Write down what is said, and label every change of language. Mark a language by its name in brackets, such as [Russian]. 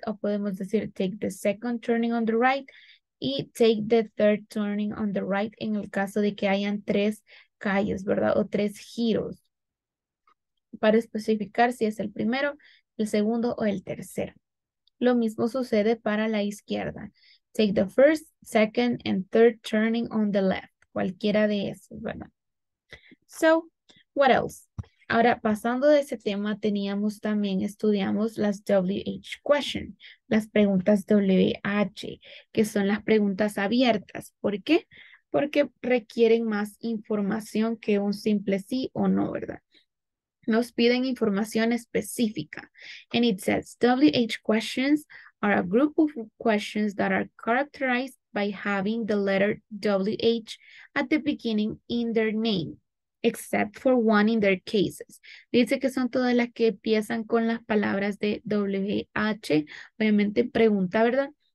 [Spanish] O podemos decir, [English] take the second turning on the right. Y take the third turning on the right [Spanish] en el caso de que hayan tres calles, ¿verdad? O tres giros para especificar si es el primero, el segundo o el tercero. Lo mismo sucede para la izquierda. [English] Take the first, second, and third turning on the left. [Spanish] Cualquiera de esos, ¿verdad? [English] So, what else? [Spanish] Ahora, pasando de ese tema, teníamos también, estudiamos las WH question, las preguntas WH, que son las preguntas abiertas. ¿Por qué? Porque requieren más información que un simple sí o no, ¿verdad? Nos piden información específica. [English] And it says, WH questions are a group of questions that are characterized by having the letter WH at the beginning in their name, except for one in their cases. [Spanish] Dice que son todas las que empiezan con las palabras de WH, obviamente pregunta, ¿verdad?